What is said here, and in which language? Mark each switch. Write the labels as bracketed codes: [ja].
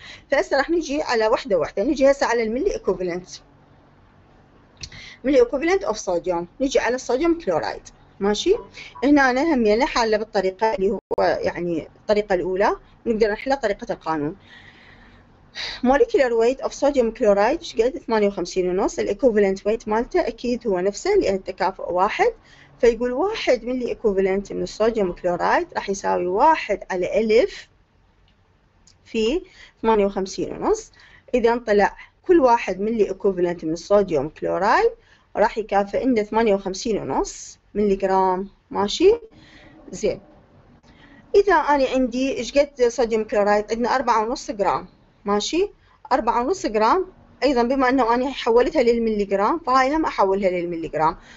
[ar] فهسه راح نجي على وحده وحده، نجي هسه على الملي ايكوفلنت. ملي ايكوفلنت اوف صوديوم، نجي على الصوديوم كلورايد، ماشي؟ هنا انا همينا حاله بالطريقه اللي هو يعني الطريقه الاولى، نقدر نحلها طريقه القانون. [en] Molecular weight of sodium chloride [ar] ايش قد؟ [en] 58.5. [ar] الايكوفلنت ويت مالته اكيد هو نفسه لان التكافؤ واحد، فيقول واحد ملي ايكوفلنت من الصوديوم كلورايد راح يساوي واحد على الف في 58.5. اذا طلع كل واحد ملي ايكوفلنت من الصوديوم كلورايد راح يكافئنا 58.5 ملي جرام، ماشي؟ زين، اذا انا عندي ايش قد صوديوم كلورايد؟ عندنا 4.5 جرام، ماشي؟ 4.5 جرام، ايضا بما انه انا حولتها للملي جرام فهاي هم احولها للملي جرام.